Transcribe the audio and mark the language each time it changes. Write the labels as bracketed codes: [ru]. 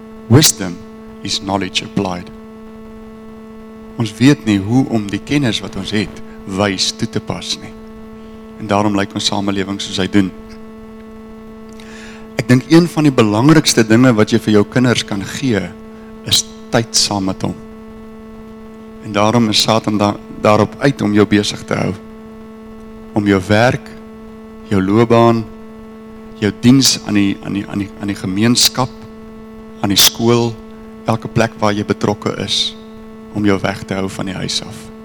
[en] Wisdom is knowledge applied. [af] Ons weet nie hoe om die kennis wat ons het wys toe te pas nie. En daarom lyk ons samelewing soos hy doen. Ek dink een van die belangrikste dinge wat jy vir jou kinders kan gee, is tyd saam met hom. En daarom is Satan daarop uit om jou besig te hou. Om jou werk, jou loopbaan, jou diens aan die gemeenskap, aan die skool, elke plek waar jy betrokke is, om jou weg te hou van die huis af.